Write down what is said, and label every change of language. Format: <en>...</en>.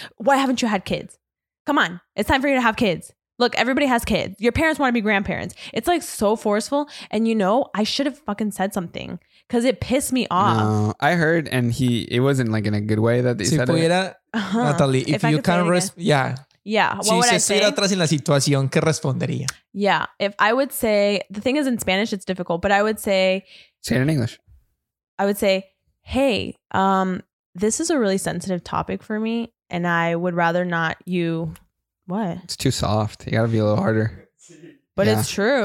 <en>Why haven't you had kids? Come on. It's time for you to have kids. Look, everybody has kids. Your parents want to be grandparents. It's like so forceful. And you know, I should have fucking said something because it pissed me off. No, I heard and it wasn't like in a good way that they said it. Uh-huh. Natalie, if you can't respond. Yeah. Yeah. What would I say?</en> <es>Si se estuviera atrás en la situación, ¿qué respondería?</es> <en>Yeah. If I would say, the thing is in Spanish, it's difficult, but I would say. Say it in English. I would say, hey, this is a really sensitive topic for me and I would rather not you. What? It's too soft. You gotta be a little harder. But yeah, it's true.</en>